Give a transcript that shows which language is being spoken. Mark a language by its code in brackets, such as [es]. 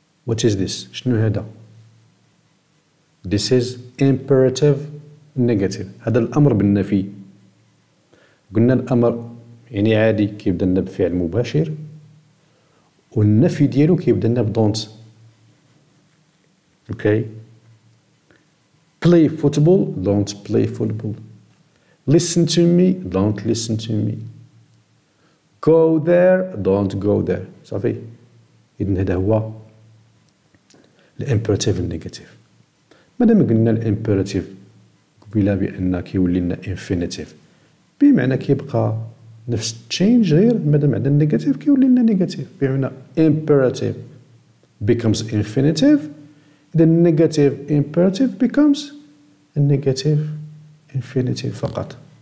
[en] What is this? [ar] شنو هذا؟ [en] This is imperative negative. [ar] هذا الأمر بالنفي. قلنا الأمر يعني عادي كيبدأ لنا بفعل مباشر، والنفي ديالو كيبدأ لنا بdon't. [en] okay play football don't play football listen to me don't listen to me go there don't go there. [ar] صافي، إذن هذا هو الامبراتيف النيجاتيف. مادام قلنا الامبراتيف قبيلة بأن كيولي لنا انفينيتيف، بمعنى كيبقى نفس تشينج، غير مادام عندنا نيجاتيف كيولي لنا نيجاتيف. [en] بمعنى imperative becomes infinitive، إذا negative imperative becomes negative infinitive فقط.